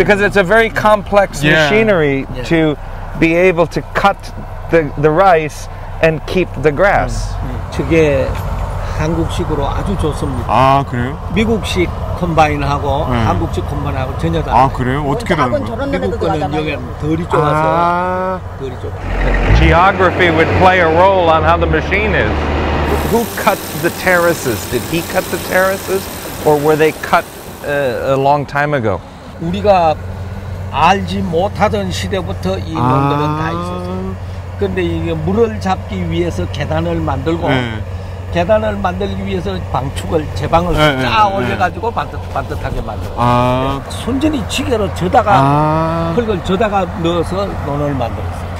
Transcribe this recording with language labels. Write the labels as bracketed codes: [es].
[en] Because it's a very complex machinery to be able to cut the rice and keep the grass. [ko] 저게 한국식으로 아주 좋습니다. 아, 그래요? 미국식 콤바인하고 한국식 콤바인하고 전혀 다르다. 아, 그래요? 어떻게 다른 거예요? 미국 거는 여기 덜이 좁아서 덜이 좁아. [en] Geography would play a role on how the machine is. Who cut the terraces? Did he cut the terraces? Or were they cut a long time ago? [ko] 우리가 알지 못하던 시대부터 이 놈들은 다 있었어요. 근데 이게 물을 잡기 위해서 계단을 만들고, 네. 계단을 만들기 위해서 방축을, 제방을 네, 쫙 네, 올려가지고 네. 반듯하게 만들어요. 아. 순전히 지게로 저다가, 흙을 저다가 넣어서 논을 만들었어요.